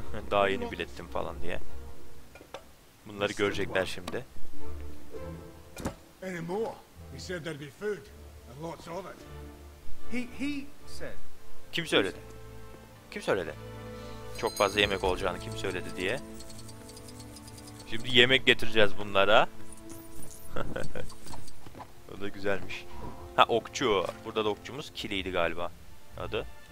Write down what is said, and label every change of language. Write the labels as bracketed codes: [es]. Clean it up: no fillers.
[tr] Daha yeni bilettim falan diye. Bunları görecekler şimdi. [en] Any more? He said there'd be food and lots of it. He said. [tr] Kim söyledi? Kim söyledi? Çok fazla yemek olacağını kim söyledi diye. Şimdi yemek getireceğiz bunlara. O da güzelmiş. Ha, okçu. Burada da okçumuz Kili'ydi galiba adı.